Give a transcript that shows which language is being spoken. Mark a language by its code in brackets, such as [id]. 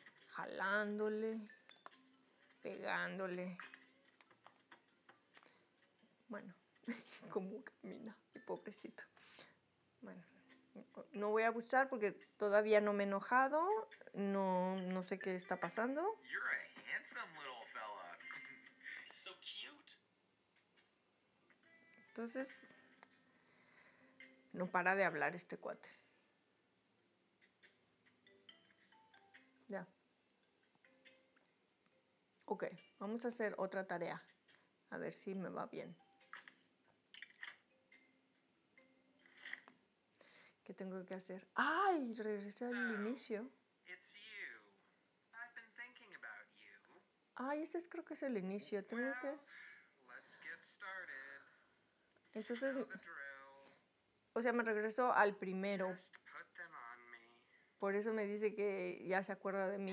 [es] Jalándole, pegándole. Bueno, como camina, mi pobrecito. Bueno, no voy a abusar porque todavía no me he enojado. No sé qué está pasando. [en] You're a handsome little fella. So cute. [es] Entonces, No para de hablar este cuate. Ya. Ok, vamos a hacer otra tarea. A ver si me va bien. ¿Qué tengo que hacer? ¡Ay! Regresé al inicio. [en] It's you. I've been thinking about you. [es] Ay, este es, creo que es el inicio. Tengo [en] well, [es] que... [en] Let's get started. [es] Entonces... O sea, me regreso al primero. [en] Just put them on me. [es] Por eso me dice que ya se acuerda de mí.